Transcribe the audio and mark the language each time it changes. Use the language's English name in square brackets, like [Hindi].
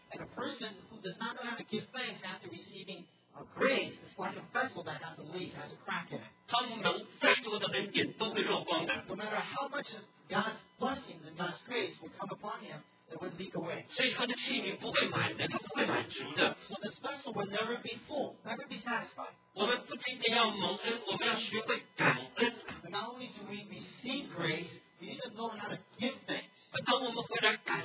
[English] And a person who does not know how to give thanks after receiving a grace is like a vessel that has a leak, has a crack in it. [Chinese] 他们能再多的恩典都会漏光的。 [English] No matter how much of God's blessings and God's grace will come upon him, it would leak away. [Chinese] 所以他的器皿不会满的，他不会满足的。 [English] So this vessel would never be full, never be satisfied. [Chinese] 我们不仅仅要蒙恩，我们要学会感恩。 [English] Not only do we receive grace, we need to know how to give thanks.